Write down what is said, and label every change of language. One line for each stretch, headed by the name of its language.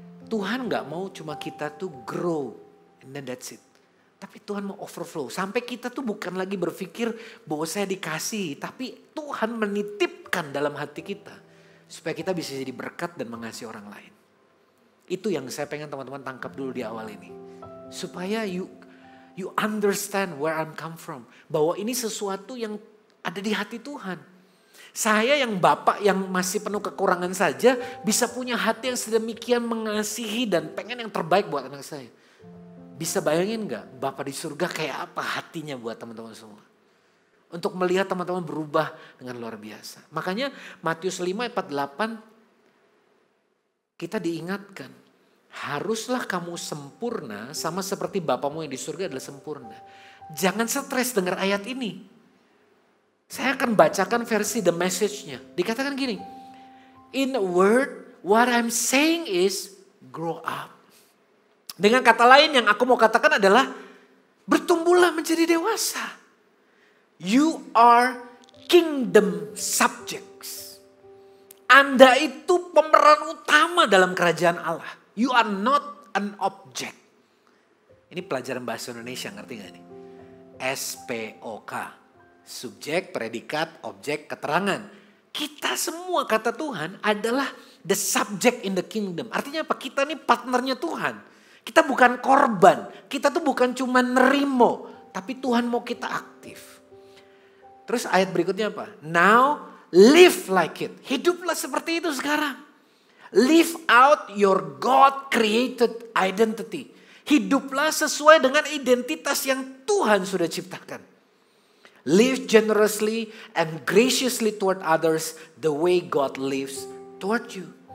Indonesian: Tuhan gak mau cuma kita tuh
English: grow and then that's it.
Indonesian: Tapi Tuhan mau overflow. Sampai kita tuh bukan lagi berpikir bahwa saya dikasih. Tapi Tuhan menitipkan dalam hati kita. Supaya kita bisa jadi berkat dan mengasihi orang lain. Itu yang saya pengen teman-teman tangkap dulu di awal ini. Supaya
English: you understand where I'm come from.
Indonesian: Bahwa ini sesuatu yang ada di hati Tuhan. Saya yang bapak yang masih penuh kekurangan saja. Bisa punya hati yang sedemikian mengasihi dan pengen yang terbaik buat anak saya. Bisa bayangin gak Bapak di surga kayak apa hatinya buat teman-teman semua. Untuk melihat teman-teman berubah dengan luar biasa. Makanya Matius 5 48 kita diingatkan. Haruslah kamu sempurna sama seperti Bapamu yang di surga adalah sempurna. Jangan stres dengar ayat ini. Saya akan bacakan versi The Message-nya. Dikatakan gini.
English: In a word, what I'm saying is grow up.
Indonesian: Dengan kata lain yang aku mau katakan adalah bertumbuhlah menjadi dewasa.
English: You are kingdom subjects.
Indonesian: Anda itu pemeran utama dalam kerajaan Allah.
English: You are not an object.
Indonesian: Ini pelajaran bahasa Indonesia, ngerti gak nih? S-P-O-K. Subjek, predikat, objek, keterangan. Kita semua kata Tuhan adalah
English: the subject in the kingdom.
Indonesian: Artinya apa? Kita ini partnernya Tuhan. Kita bukan korban, kita tuh bukan cuma nerimo, tapi Tuhan mau kita aktif. Terus ayat berikutnya apa?
English: Now live like it,
Indonesian: hiduplah seperti itu sekarang.
English: Live out your God created identity.
Indonesian: Hiduplah sesuai dengan identitas yang Tuhan sudah ciptakan.
English: Live generously and graciously toward others the way God lives toward you.